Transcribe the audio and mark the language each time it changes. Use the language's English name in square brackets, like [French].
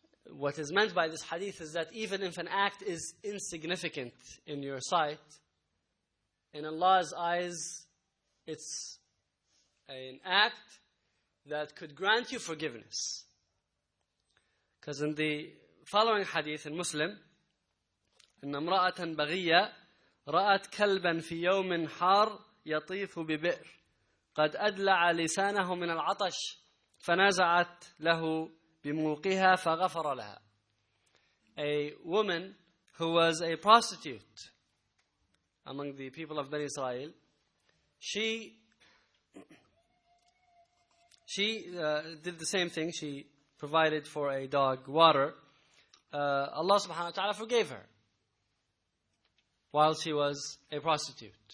[English] What is meant by this hadith is that even if an act is insignificant in your sight, in Allah's eyes, it's an act that could grant you forgiveness. Because in the following hadith in Muslim, [Arabic] إن امرأة بغية رأت كلبا في يوم حار يطيف ببئر قد أدلع لسانه من العطش فنازعت له بموقها فغفر لها. [English] A woman who was a prostitute among the people of Bani Israel, she did the same thing. She provided for a dog water. Allah subhanahu wa ta'ala forgave her while she was a prostitute.